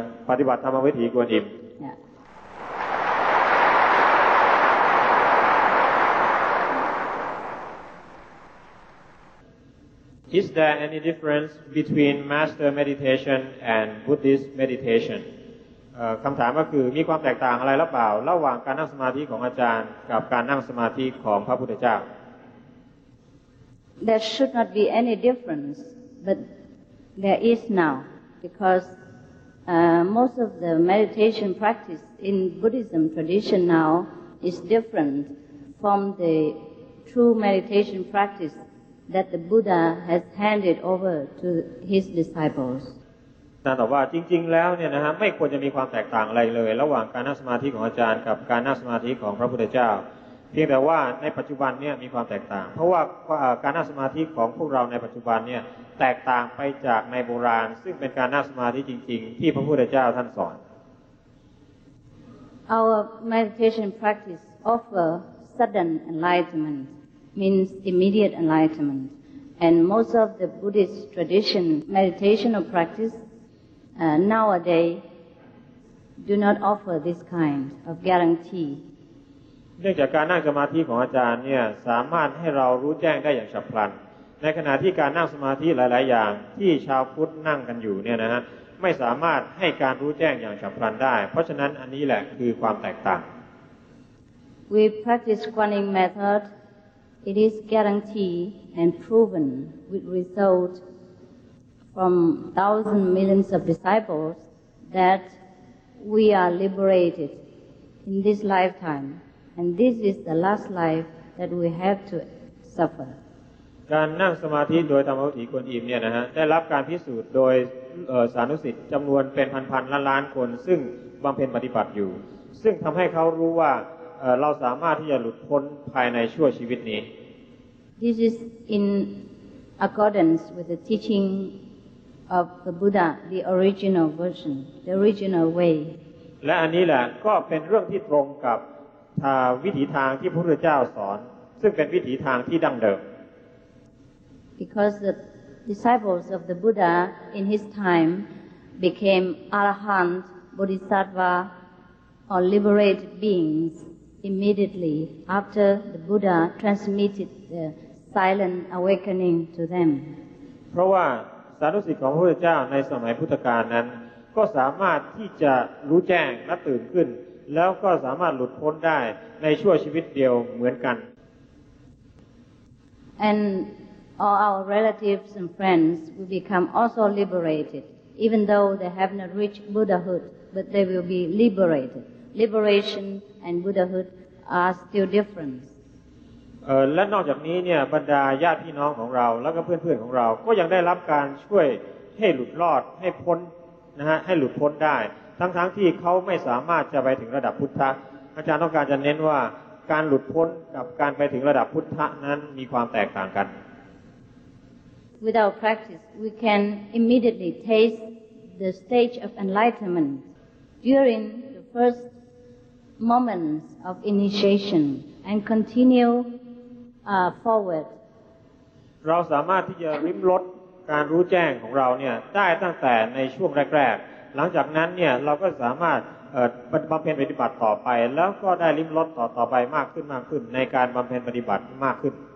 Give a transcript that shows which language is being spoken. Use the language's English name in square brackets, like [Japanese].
[Thai] ปฏิบัติธรรมวิถีกวนอิม [English] Is there any difference between master meditation and Buddhist meditation? [Thai] คำถามก็คือมีความแตกต่างอะไรหรือเปล่าระหว่างการนั่งสมาธิของอาจารย์กับการนั่งสมาธิของพระพุทธเจ้า [English] There should not be any difference, but there is now becausemost of the meditation practice in Buddhism tradition now is different from the true meditation practice that the Buddha has handed over to his disciples. [Thai] อาจารย์บอกว่าจริงๆแล้วเนี่ยนะฮะไม่ควรจะมีความแตกต่างอะไรเลยระหว่างการนั่งสมาธิของอาจารย์กับการนั่งสมาธิของพระพุทธเจ้าเพียงแต่ว่าในปัจจุบันเนี่ยมีความแตกต่างเพราะว่าการนั่งสมาธิของพวกเราในปัจจุบันเนี่ยแตกต่างไปจากในโบราณซึ่งเป็นการนั่งสมาธิจริงๆที่พระพุทธเจ้าท่านสอน [English] Our meditation practice offer sudden enlightenment means immediate enlightenment and most of the Buddhist tradition meditational practice nowadays do not offer this kind of guarantee [Thai] เนื่องจากการนั่งสมาธิของอาจารย์เนี่ยสามารถให้เรารู้แจ้งได้อย่างฉับพลันในขณะที่การนั่งสมาธิหลายๆอย่างที่ชาวพุทธนั่งกันอยู่เนี่ยนะฮะไม่สามารถให้การรู้แจ้งอย่างฉับพลันได้เพราะฉะนั้นอันนี้แหละคือความแตกต่าง [English] We practice Kuan Yin method it is guaranteed and proven with result from thousands millions of disciples that we are liberated in this lifetimeAnd this is the last life that we have to suffer. [Thai] การนั่งสมาธิโดยธรรมวิถีกวนอิมเนี่ยนะฮะได้รับการพิสูจน์โดยสาธุสิทธิ์จำนวนเป็นพันๆล้านๆคนซึ่งบำเพ็ญปฏิบัติอยู่ซึ่งทำให้เขารู้ว่าเราสามารถที่จะหลุดพ้นภายในชั่วชีวิตนี้ [English] This is in accordance with the teaching of the Buddha, the original version, the original way. [Thai] และอันนี้แหละก็เป็นเรื่องที่ตรงกับวิถีทางที่พระพุทธเจ้าสอนซึ่งเป็นวิถีทางที่ดั้งเดิม [English] Because the disciples of the Buddha in his time became arahant, bodhisattva, or liberated beings immediately after the Buddha transmitted the silent awakening to them. [Thai] เพราะว่าสาธุศิษย์ของพระพุทธเจ้าในสมัยพุทธกาลนั้นก็สามารถที่จะรู้แจ้งและตื่นขึ้นแล้วก็สามารถหลุดพ้นได้ในชั่วชีวิตเดียวเหมือนกัน [English] And all our relatives and friends will become also liberated even though they have not reached Buddhahood but they will be liberated liberation and Buddhahood are still different [Thai] และนอกจากนี้เนี่ยบรรดาญาติพี่น้องของเราแล้วก็เพื่อนๆของเราก็ยังได้รับการช่วยให้หลุดรอดให้พ้นนะฮะให้หลุดพ้นได้ทั้งๆที่เขาไม่สามารถจะไปถึงระดับพุทธะอาจารย์ต้องการจะเน้นว่าการหลุดพ้นกับการไปถึงระดับพุทธะนั้นมีความแตกต่างกัน [English] Without practice we can immediately taste the stage of enlightenment during the first moments of initiation and continue forward [Thai] เราสามารถที่จะลิ้มรสการรู้แจ้งของเราเนี่ยได้ตั้งแต่ในช่วงแรกๆหลังจากนั้นเนี่ยเราก็สามารถบำเพ็ญปฏิบัติต่อไปแล้วก็ได้ลิ้มรสต่อไปมากขึ้นมากขึ้นในการบำเพ็ญปฏิบัติมากขึ้น